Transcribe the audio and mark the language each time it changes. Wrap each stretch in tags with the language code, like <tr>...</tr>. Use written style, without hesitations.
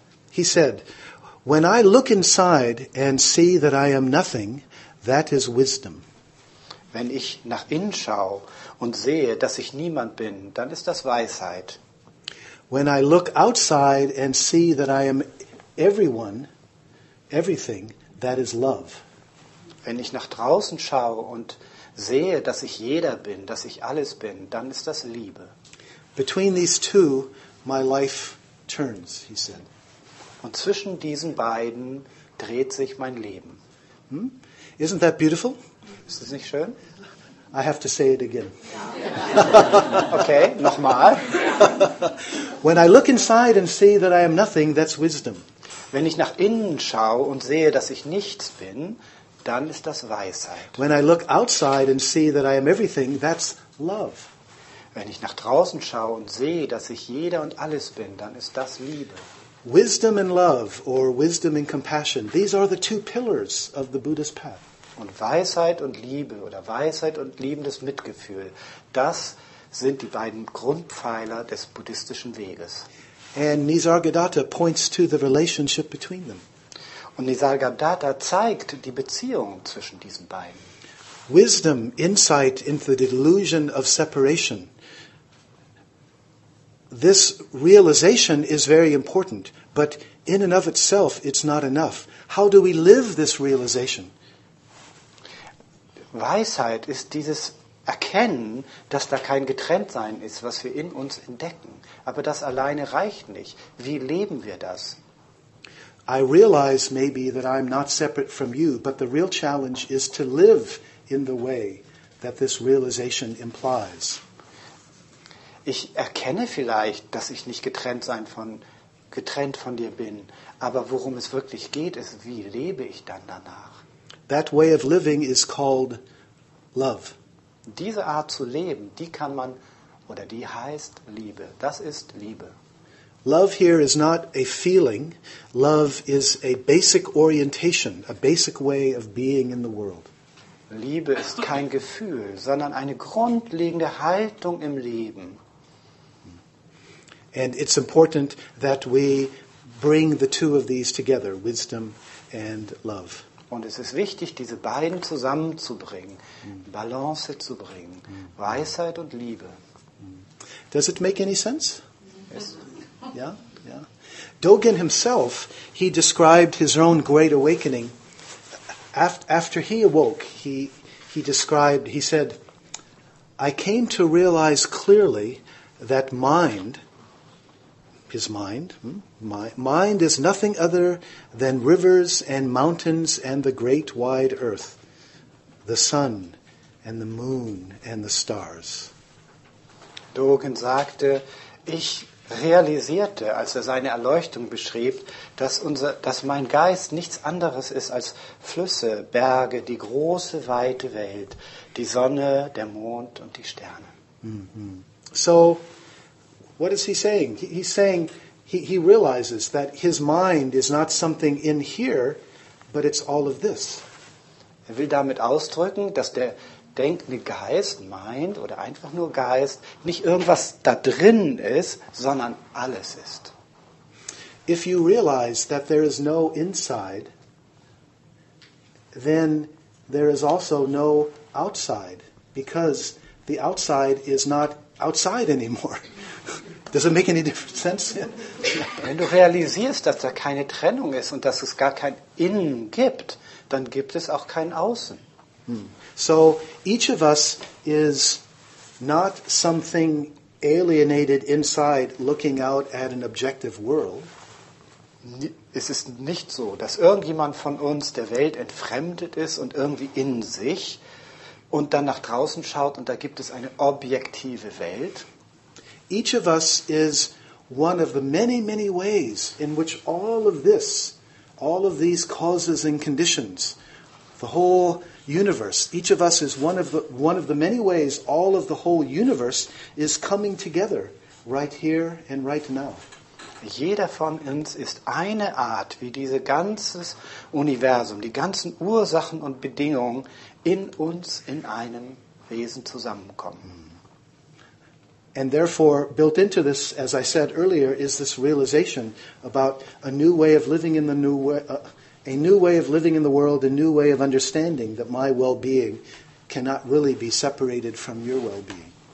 <en>He said, when I look inside and see that I am nothing, that is wisdom.</en> <de>Wenn ich nach innen schaue und sehe, dass ich niemand bin, dann ist das Weisheit.</de> <en>When I look outside and see that I am everyone, everything, that is love.</en> <de>Wenn ich nach draußen schaue und sehe, dass ich jeder bin, dass ich alles bin, dann ist das Liebe.</de> <en>Between these two, my life turns, he said.</en> <de>Und zwischen diesen beiden dreht sich mein Leben.</de> <en>Hmm? Isn't that beautiful?</en> <de>Ist das nicht schön?</de> <en>I have to say it again.</en> <de>Okay, nochmal.</de> <en>When I look inside and see that I am nothing, that's wisdom.</en> <de>Wenn ich nach innen schaue und sehe, dass ich nichts bin, dann ist das Weisheit.</de> <en>When I look outside and see that I am everything, that's love.</en> <de>Wenn ich nach draußen schaue und sehe, dass ich jeder und alles bin, dann ist das Liebe.</de> <en>Wisdom and love, or wisdom and compassion, these are the two pillars of the Buddha's path.</en> <de>Und Weisheit und Liebe oder Weisheit und liebendes Mitgefühl, das sind die beiden Grundpfeiler des buddhistischen Weges.</de> <en>And Nisargadatta points to the relationship between them.</en> <de>Und Nisargadatta zeigt die Beziehung zwischen diesen beiden.</de> <en>Wisdom, insight into the delusion of separation. This realization is very important, but in and of itself it's not enough. How do we live this realization?</en> <de>Weisheit ist dieses Erkennen, dass da kein Getrenntsein ist, was wir in uns entdecken. Aber das alleine reicht nicht. Wie leben wir das?</de> <en>I realize maybe that I'm not separate from you, but the real challenge is to live in the way that this realization implies.</en> <de>Ich erkenne vielleicht, dass ich nicht getrennt von dir bin, aber worum es wirklich geht, ist, wie lebe ich dann danach?</de> <en>That way of living is called love.</en> <de>Diese Art zu leben, die kann man, oder die heißt Liebe. Das ist Liebe.</de> <en>Love here is not a feeling. Love is a basic orientation, a basic way of being in the world.</en> <de>Liebe ist kein Gefühl, sondern eine grundlegende Haltung im Leben.</de> <en>And it's important that we bring the two of these together, wisdom and love.</en> <de>Und es ist wichtig, diese beiden zusammenzubringen, Balance zu bringen, Weisheit und Liebe.</de> <en>Does it make any sense? Yes. Yeah, yeah. Dogen himself, he described his own great awakening. After he awoke, he described, he said, I came to realize clearly that mind is nothing other than rivers and mountains and the great wide earth, the sun and the moon and the stars.</en> <de>Dogen sagte, ich realisierte, als er seine Erleuchtung beschrieb, dass mein Geist nichts anderes ist als Flüsse, Berge, die große, weite Welt, die Sonne, der Mond und die Sterne.</de> <en>Mm-hmm. So, what is he saying? He's saying he realizes that his mind is not something in here, but it's all of this.</en> <de>Er will damit ausdrücken, dass der denkende Geist, Mind oder einfach nur Geist, nicht irgendwas da drin ist, sondern alles ist.</de> <en>If you realize that there is no inside, then there is also no outside, because the outside is not outside anymore. Does it make any different sense?</en> <de>Wenn du realisierst, dass da keine Trennung ist und dass es gar kein Innen gibt, dann gibt es auch kein Außen.</de> <en>Hmm. So each of us is not something alienated inside looking out at an objective world.</en> <de>Es ist nicht so, dass irgendjemand von uns der Welt entfremdet ist und irgendwie in sich und dann nach draußen schaut und da gibt es eine objektive Welt.</de> <en>Each of us is one of the many, many ways in which all of this, all of these causes and conditions, the whole universe, each of us is one of the many ways all of the whole universe is coming together right here and right now.</en> <de>Jeder von uns ist eine Art, wie dieses ganze Universum, die ganzen Ursachen und Bedingungen in uns in einem Wesen zusammenkommen.</de> <en>And therefore, built into this, as I said earlier, is this realization about a new way of living in the new world. A new way of living in the world, a new way of understanding that my well-being cannot really be separated from your well-being.</en>